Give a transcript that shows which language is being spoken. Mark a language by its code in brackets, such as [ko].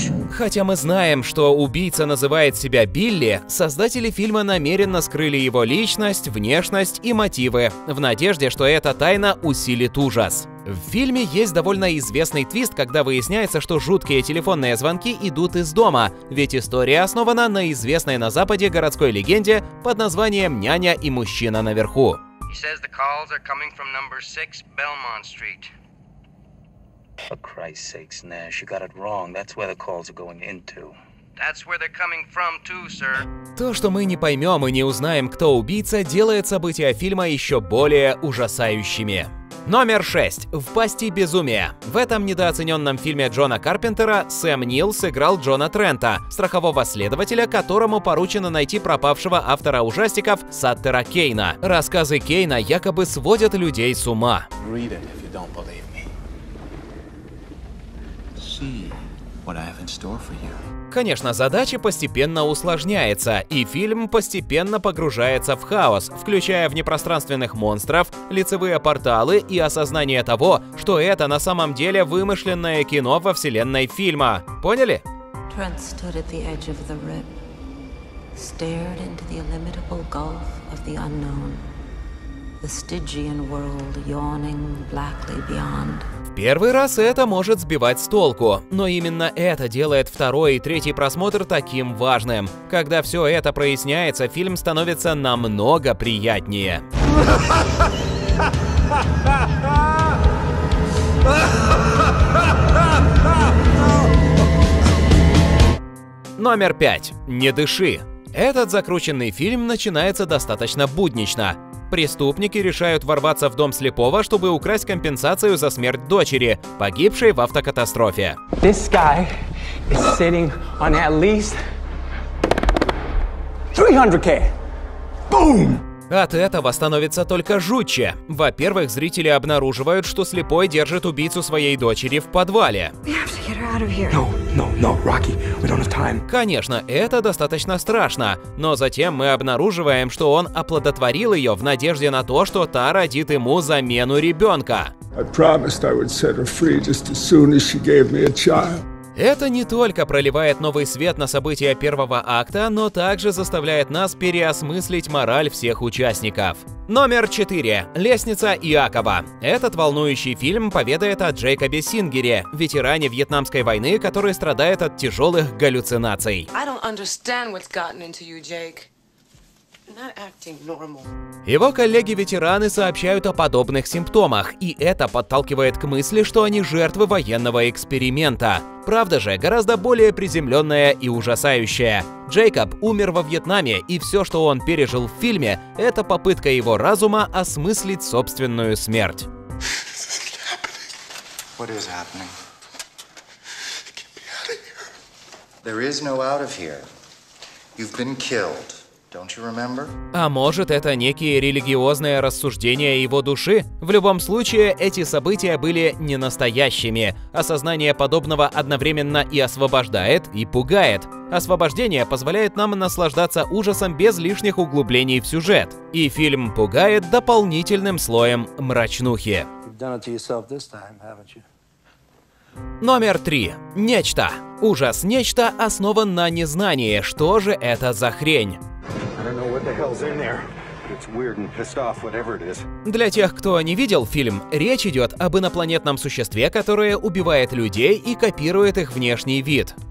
[ru] Хотя мы знаем, что убийца называет себя Билли, создатели фильма намеренно скрыли его личность, внешность и мотивы, в надежде, что эта тайна усилит ужас. В фильме есть довольно известный твист, когда выясняется, что жуткие телефонные звонки идут из дома, ведь история основана на известной на Западе городской легенде под названием «Няня и мужчина наверху». [en] He says the calls are coming from number 6 Belmont Street. For Christ's sakes, Nash, you got it wrong. That's where the calls are going into. That's where they're coming from too, sir. [ru] То, что мы не поймем и не узнаем, кто убийца, делает события фильма еще более ужасающими. Номер 6. В пасти безумия. В этом недооцененном фильме Джона Карпентера Сэм Нил сыграл Джона Трента, страхового следователя, которому поручено найти пропавшего автора ужастиков Саттера Кейна. Рассказы Кейна якобы сводят людей с ума. [en] Read it, if you don't believe me. See what I have in store for you. [ru] Конечно, задача постепенно усложняется, и фильм постепенно погружается в хаос, включая внепространственных монстров, лицевые порталы и осознание того, что это на самом деле вымышленное кино во вселенной фильма. Поняли? [en] Трент stood at the edge of the rip, stared into the illimitable gulf of the unknown, the Stygian world yawning blackly beyond. [ru] Первый раз это может сбивать с толку, но именно это делает второй и третий просмотр таким важным. Когда все это проясняется, фильм становится намного приятнее. Номер 5. Не дыши. Этот закрученный фильм начинается достаточно буднично. Преступники решают ворваться в дом слепого, чтобы украсть компенсацию за смерть дочери, погибшей в автокатастрофе. [en] This guy is sitting on at least 300K. Boom! [ru] От этого становится только жутче. Во-первых, зрители обнаруживают, что слепой держит убийцу своей дочери в подвале. [en] No, Rocky, we don't have time. [ru] Конечно, это достаточно страшно, но затем мы обнаруживаем, что он оплодотворил ее в надежде на то, что та родит ему замену ребенка. [en] I promised I would set her free just as soon as she gave me a child. [ru] Это не только проливает новый свет на события первого акта, но также заставляет нас переосмыслить мораль всех участников. Номер 4. Лестница Иакова. Этот волнующий фильм поведает о Джейкобе Сингере, ветеране Вьетнамской войны, который страдает от тяжелых галлюцинаций. [en] I don't understand what's gotten into you, Jake. Not acting normal. [ru] Его коллеги-ветераны сообщают о подобных симптомах, и это подталкивает к мысли, что они жертвы военного эксперимента. Правда же, гораздо более приземленная и ужасающая. Джейкоб умер во Вьетнаме, и все, что он пережил в фильме, это попытка его разума осмыслить собственную смерть. [en] There is no out of here. You've been killed. Don't you remember? [ru] А может, это некие религиозные рассуждения его души? В любом случае, эти события были ненастоящими. Осознание подобного одновременно и освобождает, и пугает. Освобождение позволяет нам наслаждаться ужасом без лишних углублений в сюжет. И фильм пугает дополнительным слоем мрачнухи. [en] You've done it to yourself this time, haven't you? [ru] Номер 3. Нечто. Ужас «Нечто» основан на незнании, что же это за хрень. Для тех, кто не видел фильм, речь идет об инопланетном существе, которое убивает людей и копирует их внешний вид.